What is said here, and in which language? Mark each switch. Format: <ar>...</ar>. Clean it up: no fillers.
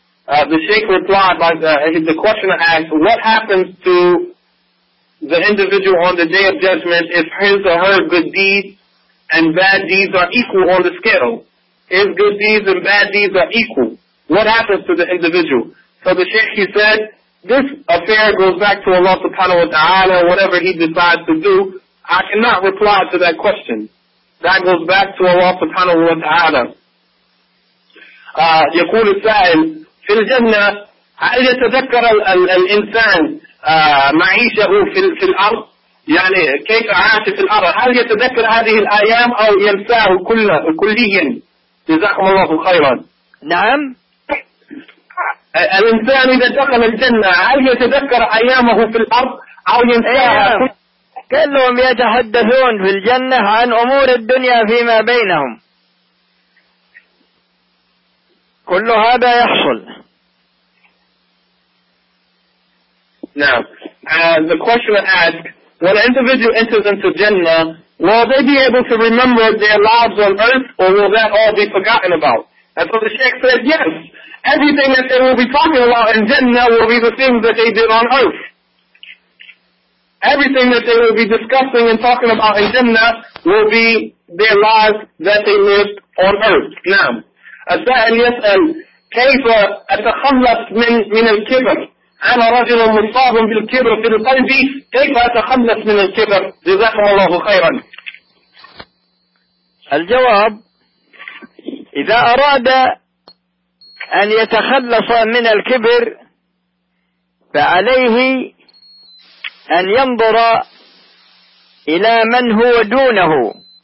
<en>The Sheikh replied by the question asked, what happens to the individual on the day of judgment if his or her good deeds and bad deeds are equal on the scale? If good deeds and bad deeds are equal, what happens to the individual? So the Sheikh, he said, this affair goes back to Allah subhanahu wa ta'ala, whatever he decides to do. I cannot reply to that question. That goes back to Allah subhanahu wa ta'ala.</en> <ar>يقول السائل في الجنة هل يتذكر الإنسان معيشه في الأرض؟ يعني كيف عاش في الأرض؟ هل يتذكر هذه الأيام أو ينساه كليا؟ جزاكم الله خيرا. نعم، الإنسان إذا دخل الجنة هل يتذكر أيامه في الأرض أو ينساها؟ كلهم يتحدثون في الجنة عن أمور الدنيا فيما بينهم، كل هذا يحصل.</ar> <en>Now, the question asks, when an individual enters into Jannah, will they be able to remember their lives on earth, or will that all be forgotten about? And so the Sheikh said, yes, everything that they will be talking about in Jannah will be the things that they did on earth. Everything that they will be discussing and talking about in Jannah will be their lives that they lived on earth. Now,</en> <ar>السائل يسأل كيف أتخلص من الكبر؟ أنا رجل مصاب بالكبر في القلب، كيف أتخلص من الكبر؟ جزاكم الله خيرا. الجواب، إذا أراد أن يتخلص من الكبر فعليه أن ينظر إلى من هو دونه</ar>